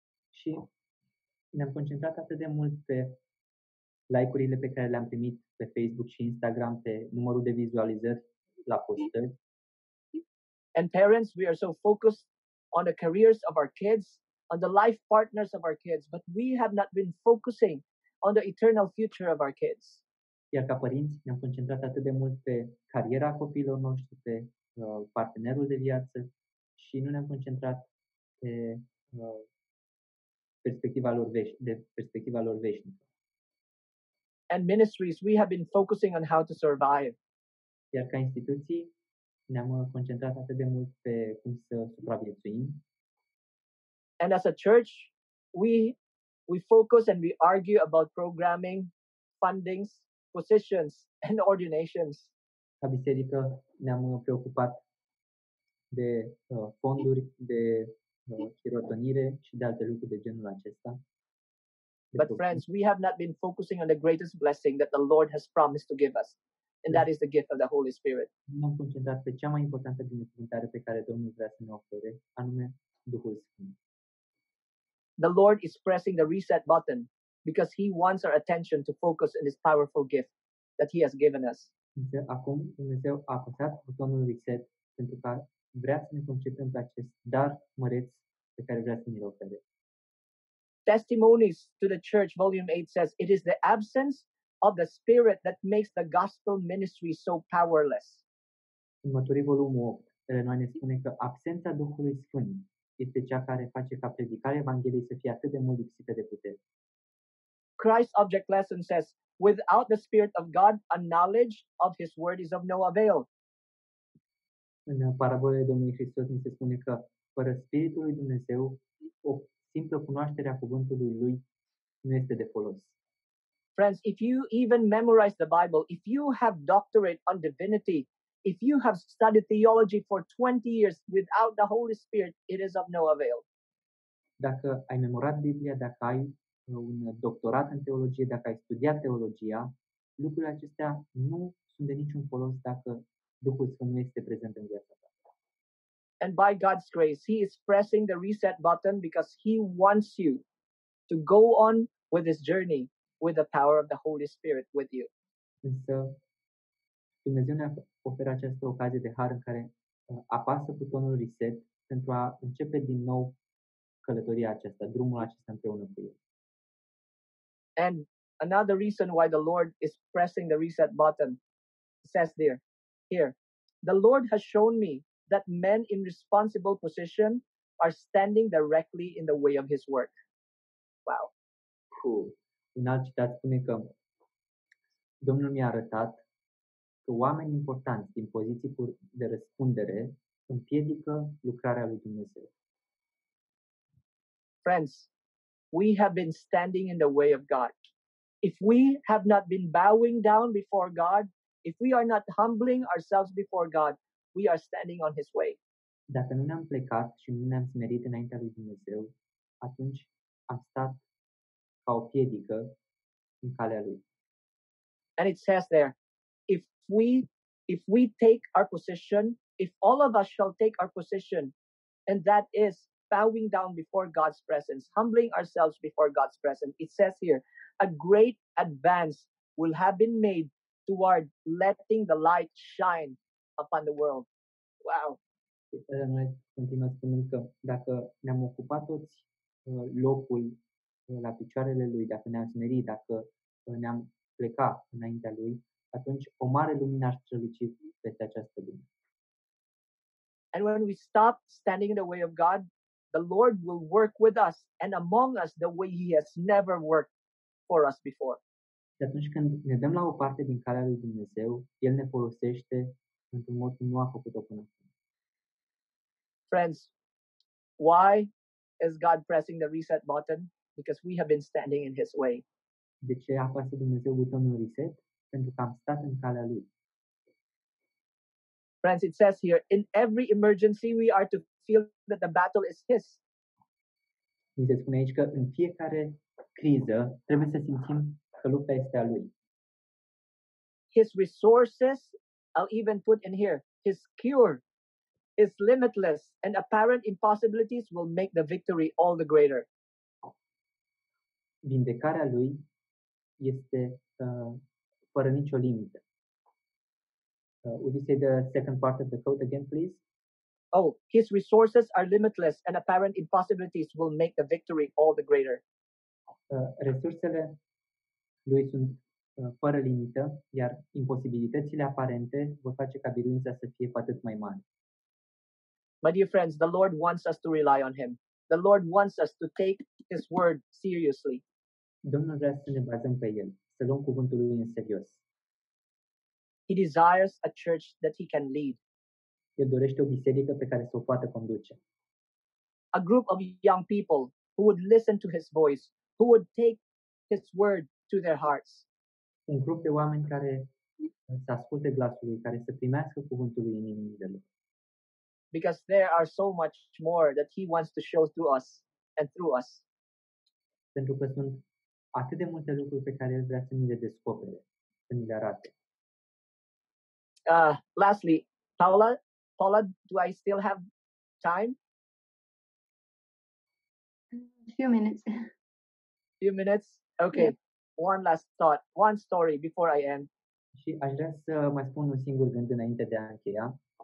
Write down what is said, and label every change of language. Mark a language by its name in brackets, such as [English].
[Romanian] Și ne-am concentrat atât de mult pe like-urile pe care le-am primit pe Facebook și Instagram, pe numărul de vizualizări la postări. [English] And parents, we are so focused on the careers of our kids, on the life partners of our kids, but we have not been focusing on the eternal future of our kids. [Romanian] Iar ca părinți, ne-am concentrat atât de mult pe cariera copiilor noștri, pe partenerul de viață și nu ne-am concentrat pe perspectiva lor veșnică. [English] And ministries, we have been focusing on how to survive. [Romanian] Iar ca instituții, ne-am concentrat atât de mult pe cum să supraviețuim. [English] And as a church, we focus and we argue about programming, fundings, positions, and ordinations. [Romanian] Ca biserică, ne-am preocupat de fonduri, de chirotonire și de alte lucruri de genul acesta. [English] But friends, we have not been focusing on the greatest blessing that the Lord has promised to give us, and that is the gift of the Holy Spirit. [Romanian] Ne-am concentrat pe cea mai importantă binecuvântare pe care Domnul vrea să ne ofere, anume Duhul Sfânt. [English] The Lord is pressing the reset button because He wants our attention to focus on His powerful gift that He has given us. [Romanian] Acum Dumnezeu a apăsat butonul reset pentru că vrea să ne concentrăm pe acest dar măreț pe care vrea să ne-l ofere. [English] Testimonies to the Church, Volume 8 says, it is the absence of the Spirit that makes the gospel ministry so powerless. [Romanian] În Mărturii, Volumul 8, ele noi ne spune că absența Duhului Sfânt este cea care face ca predicarea Evangheliei să fie atât de mult lipsită de putere. [English] Christ's object lesson says, without the Spirit of God, a knowledge of His word is of no avail. [Romanian] În parabola Domnului Hristos ni se spune că fără Spiritul lui Dumnezeu, o simplă cunoaștere a cuvântului Lui nu este de folos. [English] Friends, if you even memorize the Bible, if you have doctorate on divinity, if you have studied theology for 20 years without the Holy Spirit, it is of no avail. [Romanian] Dacă ai memorat Biblia, dacă ai un doctorat în teologie, dacă ai studiat teologia, lucrurile acestea nu sunt de niciun folos dacă Duhul Sfânt nu este prezent în viața ta. [English] And by God's grace, He is pressing the reset button because He wants you to go on with His journey with the power of the Holy Spirit with you. [Romanian] Însă, Dumnezeu ne-a oferă această ocazie de har în care apasă butonul reset pentru a începe din nou călătoria aceasta, drumul acesta împreună cu El. [English] And another reason why the Lord is pressing the reset button says there, here, the Lord has shown me that men in responsible position are standing directly in the way of His work. Wow. Cool. [Romanian] Un alt citat spune că Domnul mi-a arătat că oameni importanți din poziții de răspundere împiedică lucrarea lui Dumnezeu. [English] Friends, we have been standing in the way of God. If we have not been bowing down before God, if we are not humbling ourselves before God, we are standing on His way. [Romanian] Dacă nu ne-am plecat și nu ne-am smerit înaintea lui Dumnezeu, atunci am stat ca o piedică în calea Lui. [English] And it says there, If we take our position, if all of us shall take our position, and that is bowing down before God's presence, humbling ourselves before God's presence, it says here, a great advance will have been made to toward letting the light shine upon the world. Wow. [Romanian] Noi continuăm spunând că dacă ne-am ocupat toți locul la picioarele lui, dacă ne-am smerit, dacă ne-am plecat înaintea lui, atunci o mare lumină ar străluci peste această lume. [English] And when we stop standing in the way of God, the Lord will work with us and among us the way he has never worked for us before. [Romanian] Și atunci când ne dăm la o parte din calea lui Dumnezeu, el ne folosește într-un mod cum nu a făcut-o până acum. [English] Friends, why is God pressing the reset button? Because we have been standing in his way. [Romanian] De ce a apăsat Dumnezeu butonul reset? Pentru că am stat în calea lui. [English] Friends, it says here, in every emergency we are to feel that the battle is his. [Romanian] Ni se spune aici că în fiecare criză trebuie să simțim că lupta este a lui. [English] His resources, I'll even put in here, his cure is limitless, and apparent impossibilities will make the victory all the greater. [Romanian] Vindecarea lui este fără nicio limită. [English] Would you say the second part of the quote again, please? Oh, his resources are limitless, and apparent impossibilities will make the victory all the greater. [Romanian] Resursele lui sunt fără limită, iar imposibilitățile aparente vor face ca biruința să fie cu atât mai mare. [English] My dear friends, the Lord wants us to rely on him. The Lord wants us to take his word seriously. [Romanian] Domnul vrea să ne bazăm pe el, să luăm cuvântul lui în serios. [English] He desires a church that he can lead. [Romanian] El dorește o biserică pe care să o poată conduce. [English] A group of young people who would listen to his voice, who would take his word to their hearts. [Romanian] Un grup de oameni care să asculte glasul lui, care să primească cuvântul lui în inimile lor. [English] Because there are so much more that he wants to show through us and through us. [Romanian] Pentru că sunt atât de multe lucruri pe care el vrea să ni le descopere, să ni le arate. [English] Lastly, Paula, do I still have time? A few minutes? Okay. Yeah. One last thought, one story before I end. [Romanian] Și aș vrea să mai spun un singur gând înainte de a încheia.